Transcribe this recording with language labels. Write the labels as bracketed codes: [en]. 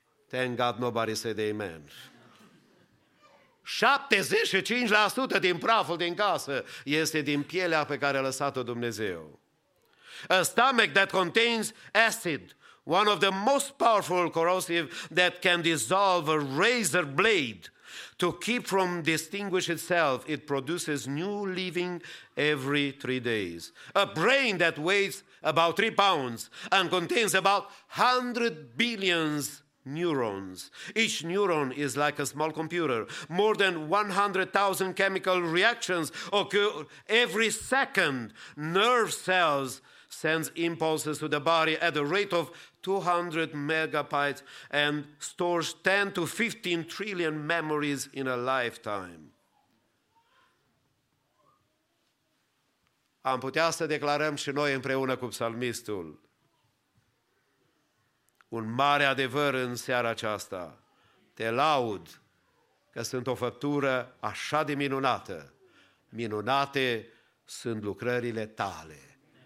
[en] Thank God nobody said amen. [ro] 75% din praful din casă este din pielea pe care a lăsat-o Dumnezeu. [en] A stomach that contains acid, one of the most powerful corrosive that can dissolve a razor blade. To keep from distinguish itself, it produces new living every 3 days. A brain that weighs about 3 pounds and contains about 100 billion neurons. Each neuron is like a small computer. More than 100,000 chemical reactions occur every second. Nerve cells send impulses to the body at a rate of 200 megabytes and stores 10 to 15 trillion memories in a lifetime. [ro] Am putea să declarăm și noi împreună cu psalmistul un mare adevăr în seara aceasta. Te laud că sunt o făptură așa de minunată. Minunate sunt lucrările tale.